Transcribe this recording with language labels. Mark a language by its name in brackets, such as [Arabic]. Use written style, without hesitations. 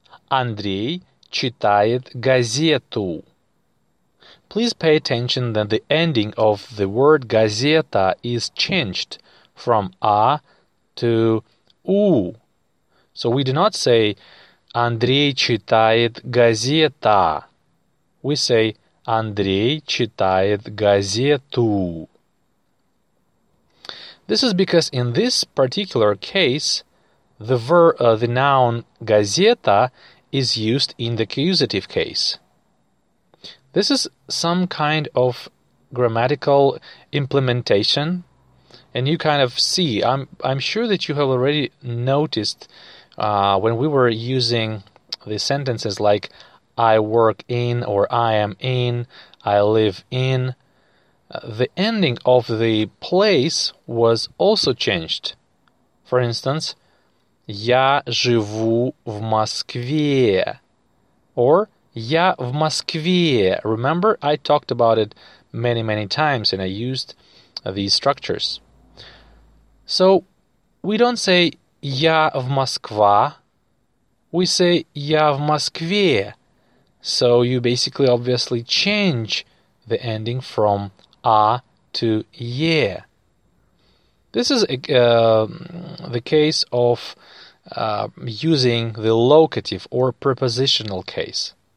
[Russian] Андрей читает газету. [English] Please pay attention that the ending of the word газета is changed from A to U. So we do not say [Russian] Андрей читает газета. [English] We say [Russian] Андрей читает газету. [English] This is because in this particular case, the noun газета is used in the accusative case. This is some kind of grammatical implementation, a new kind of C. I'm sure that you have already noticed when we were using the sentences like I work in or I am in, I live in, the ending of the place was also changed. For instance, [Russian] Я живу в Москве. [English] Or [Russian] Я в Москве. [English] Remember, I talked about it many, many times and I used these structures. So we don't say [Russian] Я в Москва. [English] We say [Russian] Я в Москве. [English] So you basically obviously change the ending from А to Е. This is the case of using the locative or prepositional case.